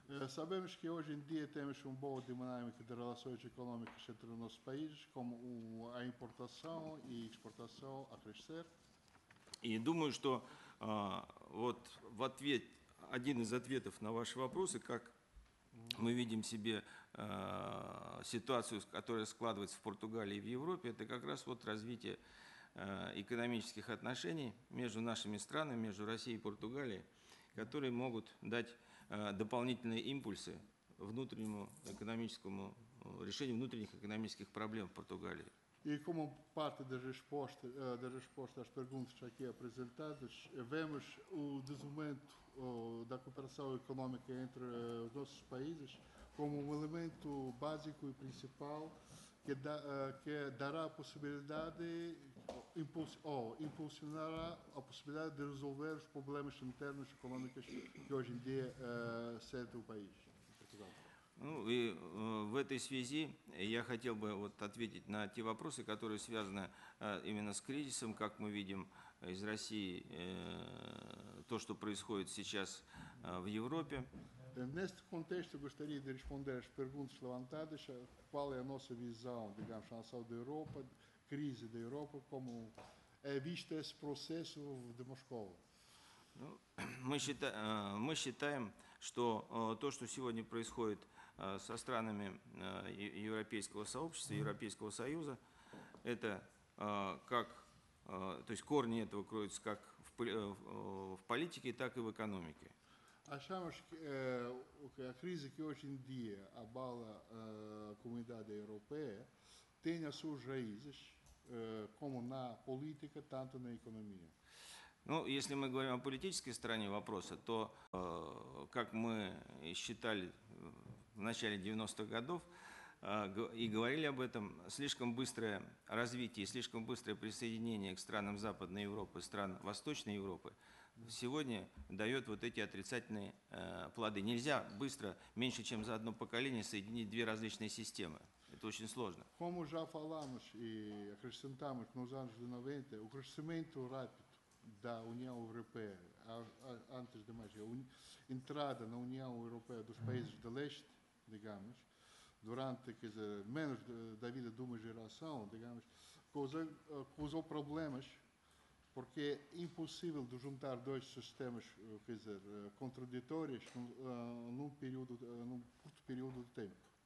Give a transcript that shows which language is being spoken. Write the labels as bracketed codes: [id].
[pt] Sabemos que hoje em dia temos uma boa dinâmica de relações econômicas entre os nossos países, como a importação e exportação a crescer. [ru] И думаю, что вот в ответ, один из ответов на ваши вопросы, как мы видим себе ситуацию, которая складывается в Португалии и в Европе, это как раз вот развитие экономических отношений между нашими странами, между Россией и Португалией, которые могут дать дополнительные импульсы внутреннему экономическому решению внутренних экономических проблем в Португалии. [pt] E como parte da resposta às perguntas aqui apresentadas, vemos o desenvolvimento da cooperação económica entre os nossos países como elemento básico e principal que dará a possibilidade, impulsionará a possibilidade de resolver os problemas internos econômicos que hoje em dia sentem o país. [ru] Ну и в этой связи я хотел бы вот ответить на те вопросы, которые связаны именно с кризисом, как мы видим из России то, что происходит сейчас в Европе. [pt] Neste contexto, gostaria de responder às perguntas levantadas, qual é a nossa visão, digamos, na saúde da Europa, crise da Europa, como é visto esse processo de Moscou? [ru] Мы считаем, что то, что сегодня происходит со странами Европейского сообщества, Европейского Союза, это как, то есть корни этого кроются как в политике, так и в экономике. [pt] Achamos que a crise que hoje em dia abala a comunidade europeia têm as suas raízes, como na política, tanto na economia. [ru] Ну, если мы говорим о политической стороне вопроса, то, как мы считали в начале 90-х годов и говорили об этом, слишком быстрое развитие, слишком быстрое присоединение к странам Западной Европы, стран Восточной Европы, сегодня дает вот эти отрицательные плоды. Нельзя быстро, меньше чем за одно поколение, соединить две различные системы. Это очень сложно. [pt] Como já falamos e acrescentamos nos anos de 90, o crescimento rápido da União Europeia, antes de mais, a entrada na União Europeia dos países de leste, digamos, durante, quer dizer, menos da vida de uma geração, digamos, causou problemas, porque é impossível de juntar dois sistemas, quer dizer, contraditórios num curto período de tempo.